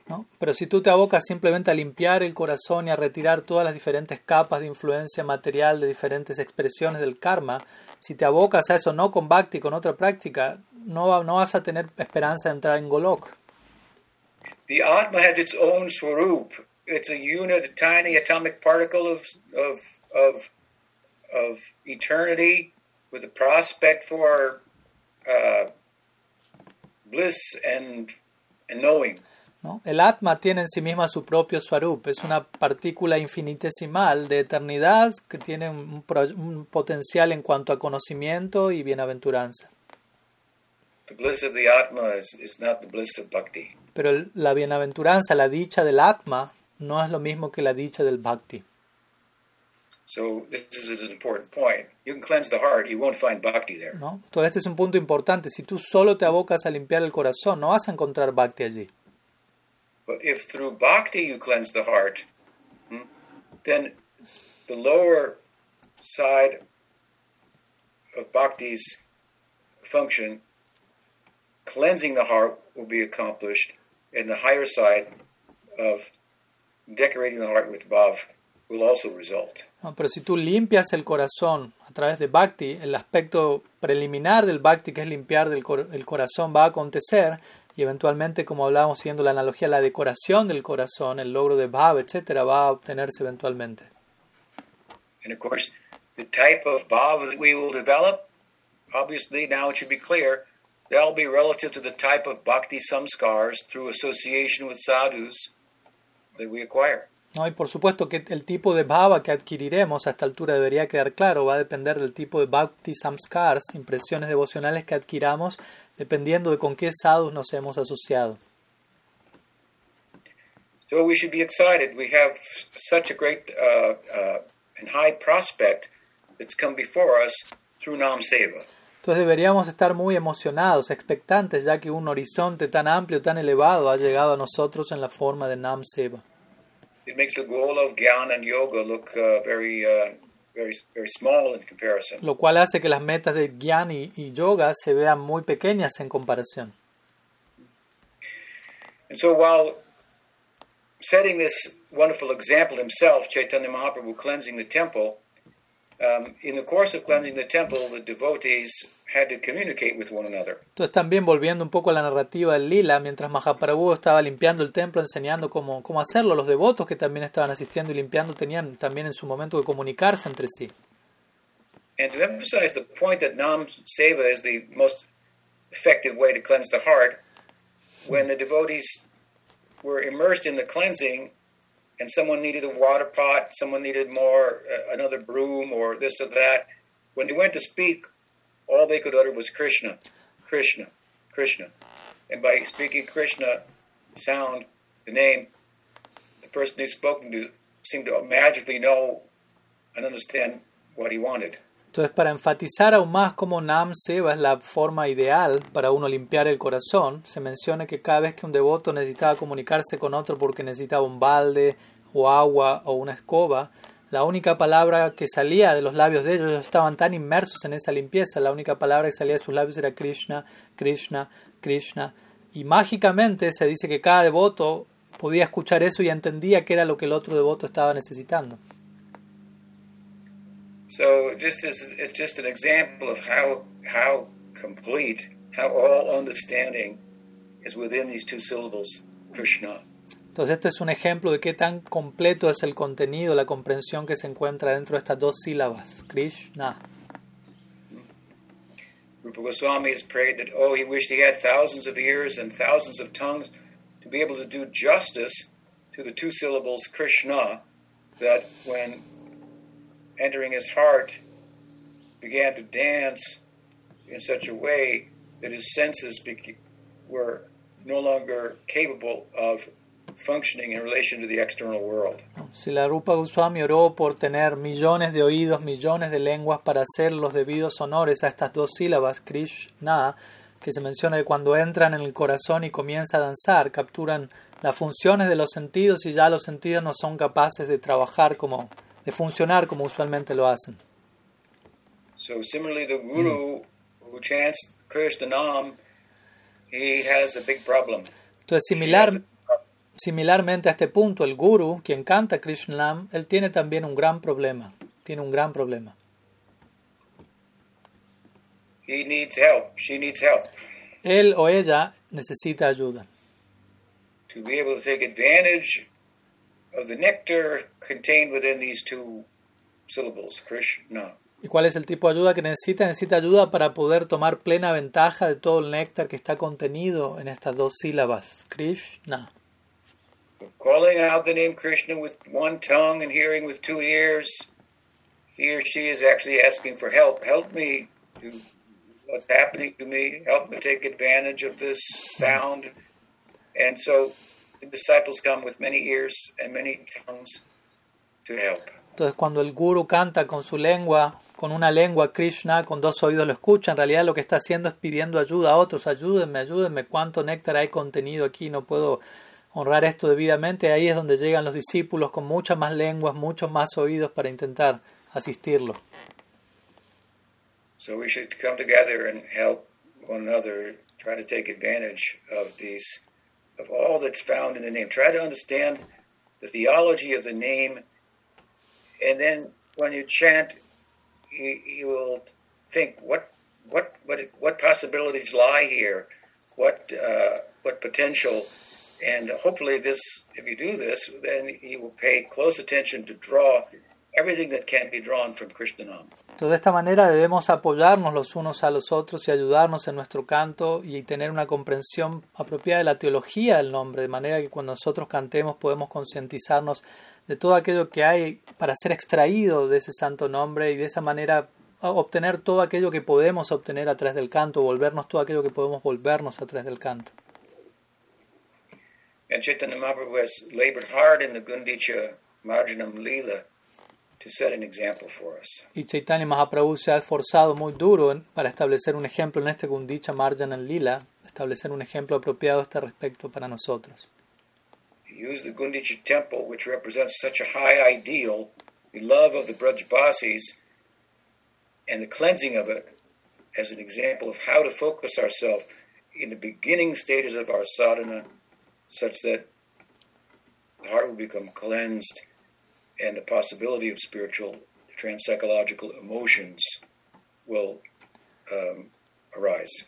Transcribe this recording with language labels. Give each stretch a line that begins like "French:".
Spanish: No, pero si tú te abocas simplemente a limpiar el corazón y a retirar todas las diferentes capas de influencia material de diferentes expresiones del karma, si te abocas a eso no con bhakti, con otra práctica, no vas a tener esperanza de entrar en Golok.
English: The Atma has its own swarup, It's a unit, a tiny atomic particle of eternity, with a prospect for bliss and knowing.
Spanish: No, el Atma tiene en sí misma su propio Swarup. Es una partícula infinitesimal de eternidad que tiene un potencial en cuanto a conocimiento y bienaventuranza.
English: The bliss of the Atma is not the bliss of bhakti.
Spanish: Pero la bienaventuranza, la dicha del Atma, no es lo mismo que la dicha del bhakti.
English: So this is an important point. You can cleanse the heart, you won't find bhakti there.
Spanish: No, todo este es un punto importante. Si tú solo te abocas a limpiar el corazón, no vas a encontrar bhakti allí.
English: But if through bhakti you cleanse the heart, then the lower side of bhakti's function, cleansing the heart, will be accomplished, and the higher side of decorating the heart with bhav will also result.
Spanish: No, pero si tú limpias el corazón a través de bhakti, el aspecto preliminar del bhakti, que es limpiar el corazón, va a acontecer. Y eventualmente, como hablábamos siguiendo la analogía, la decoración del corazón, el logro de bhava, etcétera, va a obtenerse eventualmente.
English: And of course, the type of bhava that we will develop, obviously, now it should be clear, they'll be relative to the type of bhakti samskars through association with sadhus that we acquire.
Spanish: No, y por supuesto que el tipo de bhava que adquiriremos a esta altura debería quedar claro, va a depender del tipo de bhakti samskars, impresiones devocionales que adquiramos, dependiendo de con qué sadhus nos hemos asociado.
English: So we should be excited. We have such a great and high prospect that's come before us through Nam Seva.
Spanish: Entonces deberíamos estar muy emocionados, expectantes, ya que un horizonte tan amplio, tan elevado, ha llegado a nosotros en la forma de Nam Seva.
English: It makes the goal of Gyan and Yoga look very small in comparison.
Spanish: Lo cual hace que las metas de Gyan y Yoga se vean muy pequeñas en comparación.
English: And so while setting this wonderful example himself, Chaitanya Mahaprabhu cleansing the temple, in the course of cleansing the temple, the devotees had to communicate with one another.
Spanish: Entonces también volviendo un poco a la narrativa del Lila, mientras Mahaprabhu estaba limpiando el templo, enseñando cómo hacerlo, los devotos que también estaban asistiendo y limpiando tenían también en su momento que comunicarse entre sí.
English: And to emphasize the point that Nam Seva is the most effective way to cleanse the heart, when the devotees were immersed in the cleansing, and someone needed a water pot, someone needed more, another broom, or this or that, when they went to speak, all they could utter was Krishna, Krishna, Krishna. And by speaking Krishna sound, the name, the person they spoke to seemed to magically know and understand what he wanted.
Spanish: Entonces, para enfatizar aún más cómo Nam Seva es la forma ideal para uno limpiar el corazón, se menciona que cada vez que un devoto necesitaba comunicarse con otro porque necesitaba un balde o agua o una escoba, la única palabra que salía de los labios de ellos, estaban tan inmersos en esa limpieza, la única palabra que salía de sus labios era Krishna, Krishna, Krishna. Y mágicamente se dice que cada devoto podía escuchar eso y entendía qué era lo que el otro devoto estaba necesitando.
English: So just as it's just an example of how complete, how all understanding is within these two syllables, Krishna.
Spanish: Entonces este es un ejemplo de qué tan completo es el contenido, la comprensión que se encuentra dentro de estas dos sílabas, Krishna.
English: Rupa Goswami has prayed that, oh, he wished he had thousands of ears and thousands of tongues to be able to do justice to the two syllables, Krishna, that when entering his heart, began to dance in such a way that his senses were no longer capable of functioning in relation to the external world.
Spanish: Srila Rupa Goswami oró por tener millones de oídos, millones de lenguas para hacer los debidos honores a estas dos sílabas, Krishna, que se menciona que cuando entran en el corazón y comienza a danzar, capturan las funciones de los sentidos y ya los sentidos no son capaces de trabajar como de funcionar como usualmente lo hacen.
English: So similarly, the guru who chants Krishna Nam, he has a big problem.
Spanish: Entonces, similarmente a este punto, el guru, quien canta Krishna Nam, él tiene también un gran problema. Tiene un gran problema.
English: He needs help. She needs help.
Spanish: Él o ella necesita ayuda.
English: To be able to take advantage of the nectar contained within these two syllables, Krishna.
Spanish: ¿Y cuál es el tipo de ayuda que necesita? Necesita ayuda para poder tomar plena ventaja de todo el néctar que está contenido en estas dos sílabas, Krishna.
English: Calling out the name Krishna with one tongue and hearing with two ears, he or she is actually asking for help. Help me. What's happening to me? Help me take advantage of this sound. And so the disciples come with many ears and many tongues to help.
Spanish: Entonces, cuando el guru canta con su lengua, con una lengua, Krishna, con dos oídos lo escucha, en realidad lo que está haciendo es pidiendo ayuda a otros. Ayúdenme, ayúdenme. ¿Cuánto néctar hay contenido aquí? No puedo honrar esto debidamente. Ahí es donde llegan los discípulos con muchas más lenguas, muchos más oídos para intentar asistirlo.
English: So we should come together and help one another, try to take advantage of these, of all that's found in the name. Try to understand the theology of the name, and then when you chant, you will think what possibilities lie here, what potential, and hopefully this, if you do this, then you will pay close attention to draw everything that can be drawn from Krishna Nam.
Spanish: Entonces, de esta manera debemos apoyarnos los unos a los otros y ayudarnos en nuestro canto y tener una comprensión apropiada de la teología del nombre, de manera que cuando nosotros cantemos podemos concientizarnos de todo aquello que hay para ser extraído de ese santo nombre y de esa manera obtener todo aquello que podemos obtener a través del canto, volvernos todo aquello que podemos volvernos a través del canto.
English: And Chaitanya Mahaprabhu has labored hard in the Gundicha Marjanam Lila to set an example for us.
Spanish: Y Chaitanya Mahaprabhu se ha esforzado muy duro para establecer un ejemplo en este Gundicha Marjanam Lila, establecer un ejemplo apropiado a este respecto para nosotros.
English: Use the Gundicha temple, which represents such a high ideal, the love of the Brajbasis, and the cleansing of it, as an example of how to focus ourselves in the beginning stages of our sadhana, such that the heart will become cleansed and the possibility of spiritual, trans-psychological emotions will arise.